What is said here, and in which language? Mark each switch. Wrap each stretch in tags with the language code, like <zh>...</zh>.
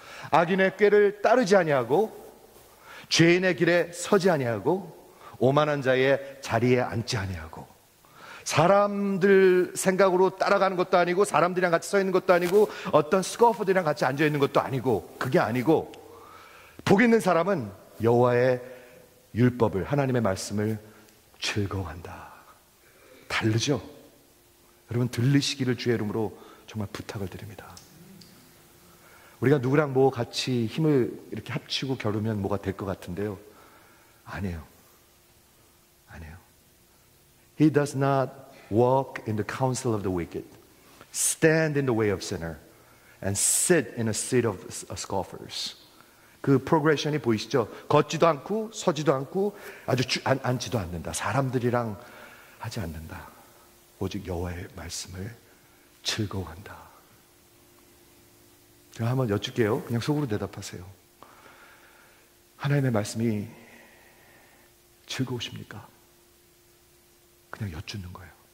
<ko>악인의 꾀를 따르지 아니하고 죄인의 길에 서지 아니하고 오만한 자의 자리에 앉지 아니하고 사람들 생각으로 따라가는 것도 아니고 사람들이랑 같이 서 있는 것도 아니고 어떤 스코어들이랑 같이 앉아 있는 것도 아니고 그게 아니고 복 있는 사람은 여호와의 율법을 하나님의 말씀을 즐거워한다. 다르죠? 여러분 들리시기를 주의 이름으로 정말 부탁을 드립니다. 우리가 누구랑 뭐 같이 힘을 이렇게 합치고 겨루면 뭐가 될 것 같은데요. 아니에요. 아니에요.</ko> <en>He does not walk in the counsel of the wicked, stand in the way of sinner, and sit in a seat of scoffers.</en> <ko>그 프로그레션이 보이시죠? 걷지도 않고 서지도 않고 아주 앉지도 않는다. 사람들이랑 하지 않는다. 오직 여호와의 말씀을 즐거워한다. 제가 한번 여쭐게요. 그냥 속으로 대답하세요. 하나님의 말씀이 즐거우십니까? 그냥 여쭙는 거예요.</ko>